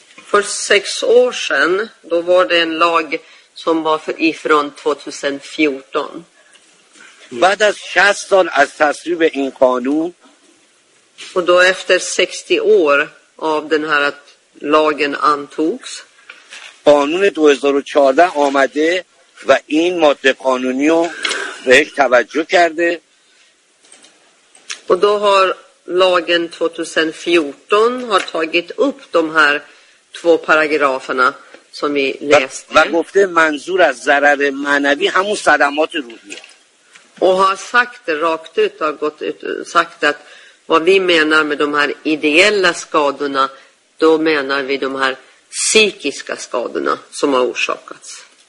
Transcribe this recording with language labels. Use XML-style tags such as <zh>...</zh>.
<sv>för 6 år sedan då var det en lag som var ifrån 2014.</sv> <fa>بعد از 60 سال از تصویب این قانون</fa> <sv>و دو efter 60 år av den här lagen antogs.</sv> <fa>قانون 2014 آمده و این ماده قانونی رو بهش توجه کرده.</fa> <sv>و دو har lagen 2014 har tagit upp de här två paragraferna som vi läste.</sv> <fa>و گفته منظور از ضرر معنوی همون صدمات روحی.</fa> <sv>Och har sagt det rakt ut, har gått ut, sagt att vad vi menar med de här ideella skadorna, då menar vi de här psykiska skadorna som har orsakats.</sv>